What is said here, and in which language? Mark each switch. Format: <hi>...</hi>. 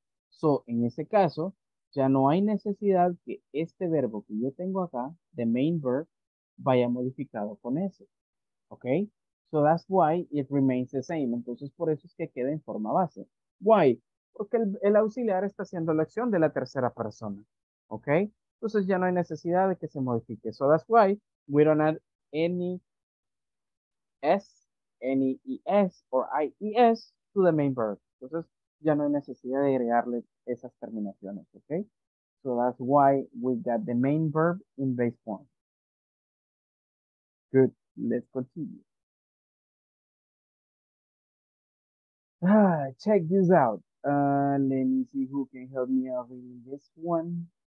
<es>So, en ese caso, ya no hay necesidad que este verbo que yo tengo acá,</es> <en>the main verb,</en> <es>vaya modificado con S, ¿ok?</es> <en>So, that's why it remains the same.</en> <es>Entonces, por eso es que queda en forma base. Why? Porque el auxiliar está haciendo la acción de la tercera persona, ¿ok? Entonces, ya no hay necesidad de que se modifique.</es> <en>So, that's why we don't add any S, any ES, or IES to the main verb.</en> <es>Entonces, ya no hay necesidad de agregarle esas terminaciones, ¿ok?</es> <en>So, that's why we got the main verb in base form. Good. Let's continue. Check this out. Let me see who can help me out in this one.</en>